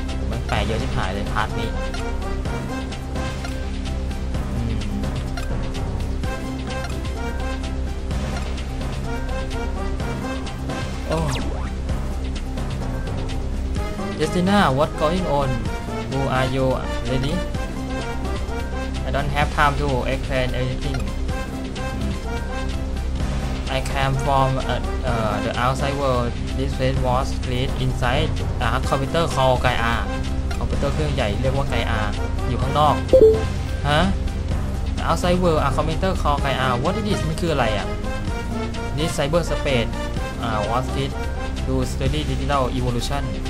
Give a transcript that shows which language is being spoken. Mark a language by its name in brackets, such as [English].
[Thai] มันแปลเยอะชิบหายเลยพาร์ทนี้โอ้ [English] Justina what going on who are you ready I don't have time to explain anything. I came from the outside world. This place was created inside a computer called Gaia. Computer [Thai] เครื่องใหญ่เรียกว่า [English] Gaia. [Thai] อยู่ข้างนอก ฮะ [English] Outside world a computer called Gaia. What is this? [Thai] มันคืออะไรอ่ะ [English] This cyber space was created to study digital evolution.